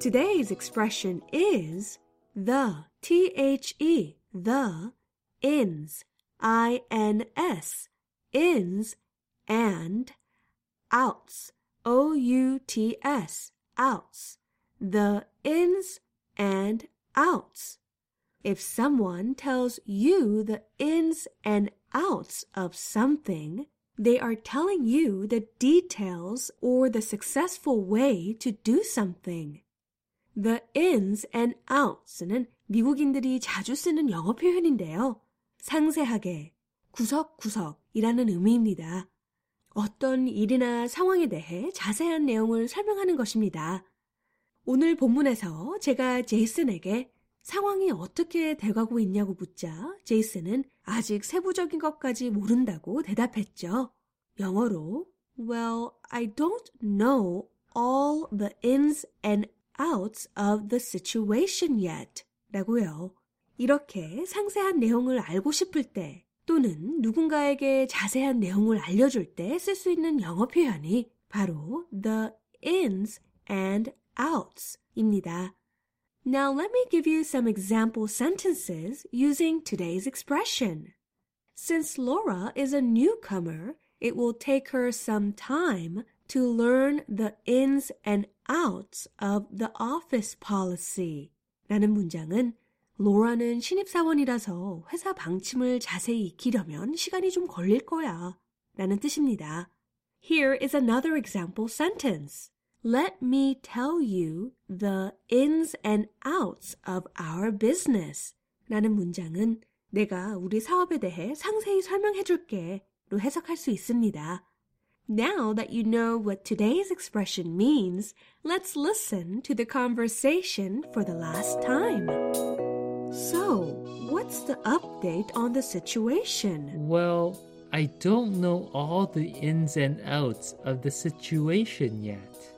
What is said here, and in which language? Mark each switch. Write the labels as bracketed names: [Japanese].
[English] Today's expression is the, T-H-E, the, ins, I-N-S, ins, and outs, O-U-T-S, outs, the ins and outs. If someone tells you the ins and outs of something, they are telling you the details or the successful way to do something. The ins and outs는 [Korean] 미국인들이 자주 쓰는 영어 표현인데요. 상세하게, 구석구석이라는 의미입니다. 어떤 일이나 상황에 대해 자세한 내용을 설명하는 것입니다. 오늘 본문에서 제가 제이슨에게 상황이 어떻게 돼가고 있냐고 묻자 제이슨은 아직 세부적인 것까지 모른다고 대답했죠. 영어로 [English] Well, I don't know all the ins and outs of the situation yet. [Korean] 라고요. 이렇게 상세한 내용을 알고 싶을 때 또는 누군가에게 자세한 내용을 알려줄 때 쓸 수 있는 영어 표현이 바로 [English] the ins and outs [Korean] 입니다. [English] Now let me give you some example sentences using today's expression. Since Laura is a newcomer, it will take her some time to learn the ins and outs of the office policy. [Korean] 라는 문장은 로라는 신입사원이라서 회사 방침을 자세히 익히려면 시간이 좀 걸릴 거야 라는 뜻입니다. [English] Here is another example sentence. Let me tell you the ins and outs of our business. [Korean] 라는 문장은 내가 우리 사업에 대해 상세히 설명해 줄게 로 해석할 수 있습니다. [English] Now that you know what today's expression means, let's listen to the conversation for the last time. So, what's the update on the situation? Well, I don't know all the ins and outs of the situation yet.